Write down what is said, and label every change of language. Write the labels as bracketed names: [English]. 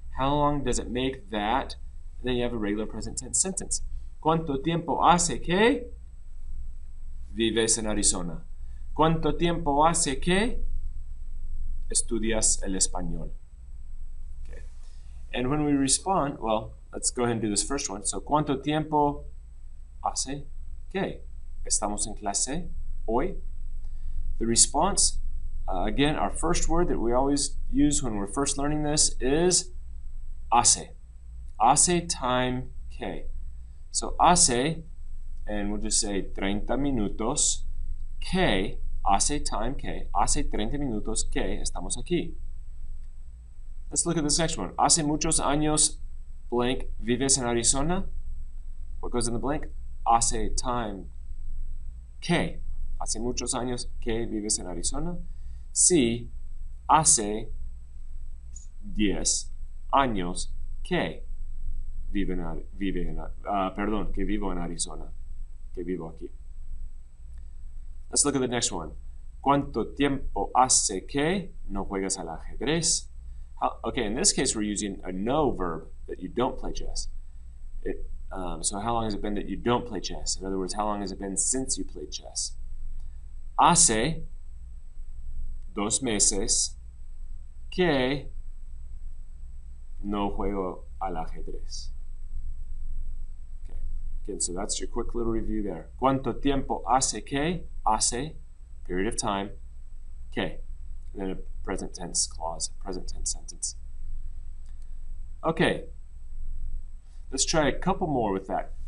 [English] How long does it make that? And then you have a regular present tense sentence. [Spanish] ¿Cuánto tiempo hace que vives en Arizona? ¿Cuánto tiempo hace que estudias el español? Okay. [English] And when we respond, well, let's go ahead and do this first one. [Spanish] So, ¿cuánto tiempo hace que estamos en clase hoy? [English] The response, again, our first word that we always use when we're first learning this is hace. Hace time que. So, hace, and we'll just say [Spanish] 30 minutos, que. Hace time que, hace 30 minutos que estamos aquí. [English] Let's look at this next one. [Spanish] Hace muchos años, blank, vives en Arizona. [English] What goes in the blank? [Spanish] Hace time que. Hace muchos años que vives en Arizona. Sí, hace 10 años que vivo en Arizona. Que vivo aquí. [English] Let's look at the next one. [Spanish] ¿Cuánto tiempo hace que no juegas al ajedrez? [English] Okay, in this case, we're using a no verb that you don't play chess. So how long has it been that you don't play chess? In other words, how long has it been since you played chess? [Spanish] Hace dos meses que no juego al ajedrez. [English] Again, so that's your quick little review there. [Spanish] ¿Cuánto tiempo hace que? [English] Hace, period of time, que. And then a present tense clause, present tense sentence. Okay, let's try a couple more with that.